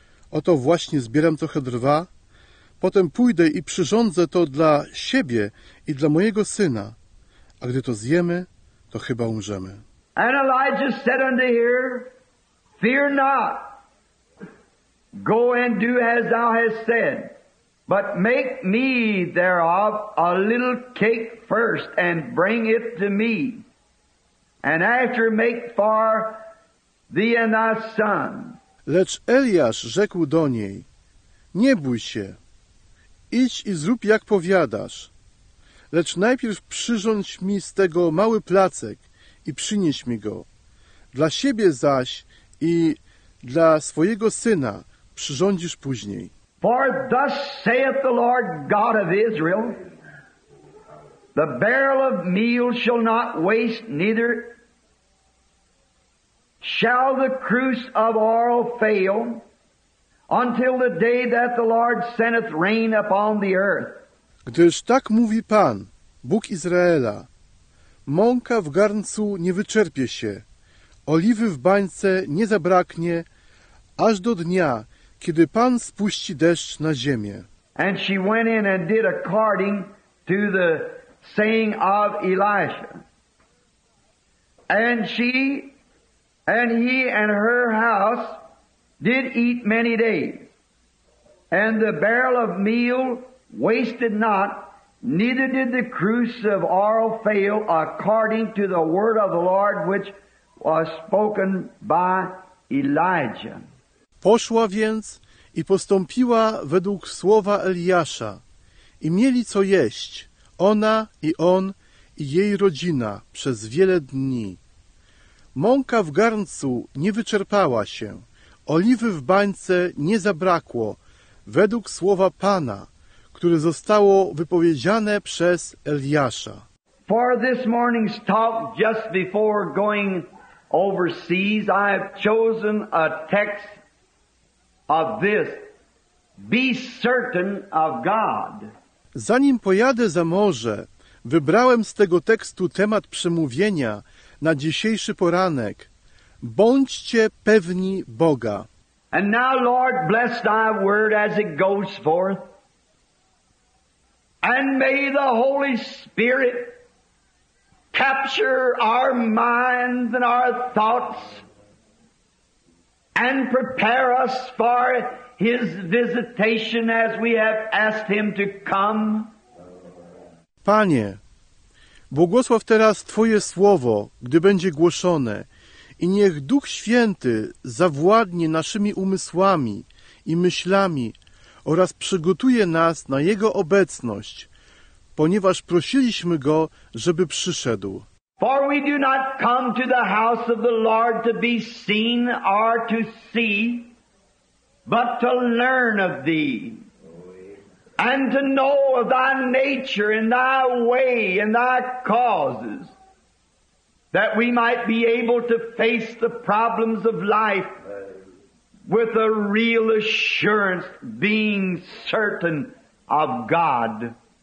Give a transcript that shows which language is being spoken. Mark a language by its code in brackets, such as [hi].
[pl] Oto właśnie zbieram trochę drwa, potem pójdę i przyrządzę to dla siebie i dla mojego syna, a gdy to zjemy, to chyba umrzemy. [en] And Elijah said unto her, Fear not, go and do as thou hast said, but make me thereof a little cake first, and bring it to me, and after make for thee and thy son. [pl] Lecz Eliasz rzekł do niej, Nie bój się, idź i zrób jak powiadasz, lecz najpierw przyrządź mi z tego mały placek i przynieś mi go. Dla siebie zaś i dla swojego syna przyrządzisz później. [en] For thus saith the Lord God of Israel, The barrel of meal shall not waste, neither shall the cruse of oil fail, until the day that the Lord sendeth rain upon the earth. [pl] Gdyż tak mówi Pan, Bóg Izraela, mąka w garncu nie wyczerpie się, oliwy w bańce nie zabraknie, aż do dnia, kiedy Pan spuści deszcz na ziemię. [en] And she went in and did according to the saying of Elisha. And she and he and her house did eat many days. And the barrel of meal wasted not, neither did the cruse of oil fail, according to the word of the Lord which was spoken by Elijah. [pl] Poszła więc i postąpiła według słowa Eliasza i mieli co jeść, ona i on i jej rodzina przez wiele dni. Mąka w garncu nie wyczerpała się, oliwy w bańce nie zabrakło, według słowa Pana, które zostało wypowiedziane przez Eliasza. [en] For this morning's talk, just before going overseas, I have chosen a text of this. Be certain of God. [pl] Zanim pojadę za morze, wybrałem z tego tekstu temat przemówienia na dzisiejszy poranek. Bądźcie pewni Boga. [en] And now, Lord, bless thy word as it goes forth. And may the Holy Spirit capture our minds and our thoughts and prepare us for His visitation as we have asked Him to come. [pl] Panie, błogosław teraz Twoje słowo, gdy będzie głoszone, i niech Duch Święty zawładnie naszymi umysłami i myślami oraz przygotuje nas na Jego obecność, ponieważ prosiliśmy Go, żeby przyszedł. [en] For we do not come to the house of the Lord to be seen or to see, but to learn of Thee, and to know of Thy nature and Thy way and Thy causes, that we might be able to face the problems of life with a real assurance, being certain of God.